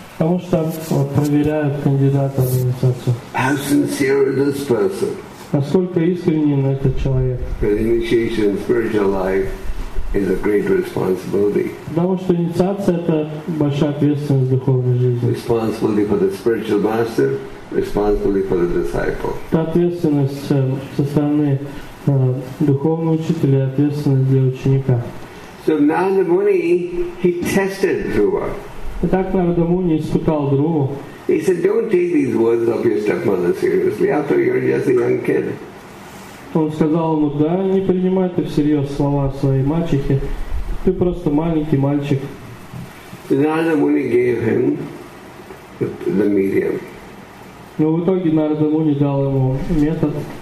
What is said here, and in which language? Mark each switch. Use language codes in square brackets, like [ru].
[ru] Потому что проверяют кандидата в инициацию. [en] How sincere is this person? [ru] Насколько искренен этот человек? [en] Because initiation in spiritual life is a great responsibility. [ru] Потому что инициация — это большая ответственность в духовной жизни. [en] Responsibility for the spiritual master. Responsibility for the disciple. [ru] Это ответственность со стороны духовного учителя, ответственность для ученика. [en] So Narada Muni, he tested Dhruva. [ru] Итак, Нарада Муни испытал Дрову. [en] He said, "Don't take these words of your stepmother seriously. After all, you're just a young kid." [ru] Он сказал ему: "Да, не принимай ты всерьез слова своей мачехи. Ты просто маленький мальчик." [en] So Narada Muni gave him the medium. [ru] Но в итоге Нарада Муни дал ему метод.